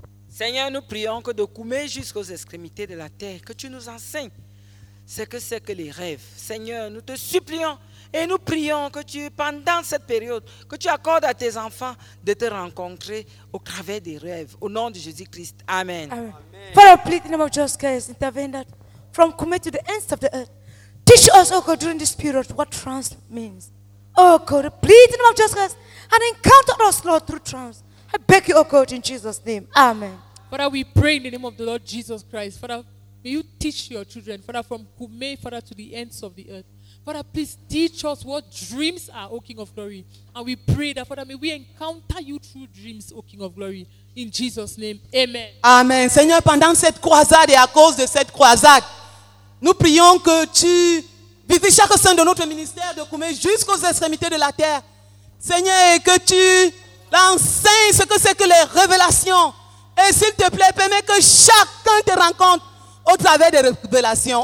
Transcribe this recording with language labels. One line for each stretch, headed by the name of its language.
French: Seigneur, nous prions que de Koumé jusqu'aux extrémités de la terre, que tu nous enseignes ce que c'est que les rêves. Seigneur, nous te supplions et nous prions que tu, pendant cette période, que tu accordes à tes enfants de te rencontrer au travers des rêves. Au nom de Jésus-Christ. Amen. Amen.
English: Father, please, in the name of Jesus Christ, intervene that from Koumé to the ends of the earth. Teach us, oh God, during this period, what trance means. Oh God, please, in the name of Jesus Christ, and encounter us, Lord, through trance. I beg you, oh God, in Jesus' name. Amen. Father, we pray in the name of the Lord Jesus Christ. Father, may you teach your children, Father, from Koumé, Father, to the ends of the earth. Father, please teach us what dreams are, O King of Glory. And we pray that, Father, may we encounter you through dreams, O King of Glory. In Jesus' name, amen. Amen.
French: Seigneur, pendant cette croisade et à cause de cette croisade, nous prions que tu visites chaque sein de notre ministère de Koumé jusqu'aux extrémités de la terre. Seigneur, et que tu l'enseignes ce que c'est que les révélations. Et s'il te plaît, permets que chacun te rencontre au travers des révélations.